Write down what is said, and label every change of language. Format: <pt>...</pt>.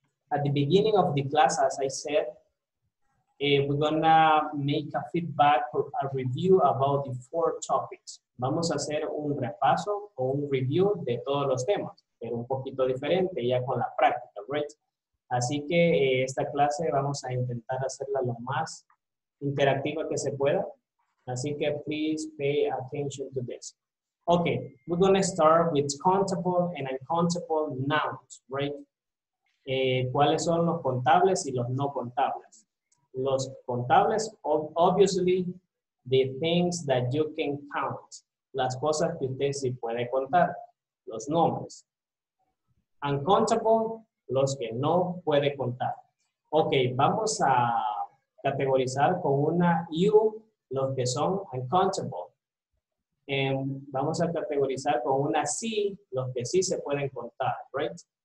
<en>At the beginning of the class, as I said, we're gonna make a feedback or a review about the four topics.</en> <es>Vamos a hacer un repaso o un review de todos los temas, pero un poquito diferente ya con la práctica, right? Así que esta clase vamos a intentar hacerla lo más interactiva que se pueda. Así que</es> <en>please pay attention to this. Okay, we're gonna start with countable and uncountable nouns, right?</en> <es>¿Cuáles son los contables y los no contables? Los contables,</es> <en>obviously, the things that you can count.</en> <es>Las cosas que usted sí puede contar, los nombres. Uncountable, los que no puede contar. Ok, vamos a categorizar con una U los que son uncountable. Vamos a categorizar con una C los que sí se pueden contar, right?</es>